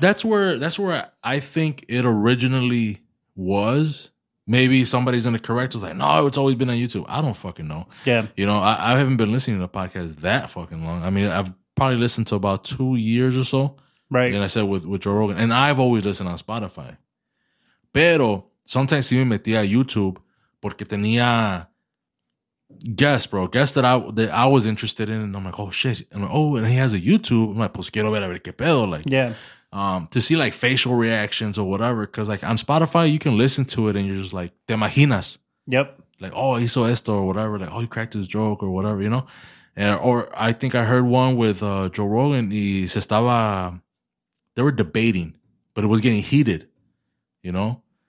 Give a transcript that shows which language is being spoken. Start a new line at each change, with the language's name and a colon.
English: That's where I think it originally was. Maybe somebody's going to correct us like, no, it's always been on YouTube. I don't fucking know. Yeah. You know, I haven't been listening to a podcast that fucking long. I mean, I've probably listened to about 2 years or so. Right. And I said with Joe Rogan. And I've always listened on Spotify.
Spanish: Pero
English: sometimes
Spanish: si me metía a YouTube porque tenía guests, bro.
English: Guests that I was interested in. And I'm like, oh, shit. And I'm like, oh, and he has a YouTube. I'm like,
Spanish: pues quiero ver a ver qué pedo. Like,
English: yeah. To see like facial reactions or whatever, because like on Spotify you can listen to it and you're just like
Spanish: te imaginas,
English: yep, like oh
Spanish: hizo esto
English: or whatever, like oh he cracked his joke or whatever, you know, or I think I heard one with Joe Rogan
Spanish: y se estaba,
English: they were debating, but it was getting heated, you know.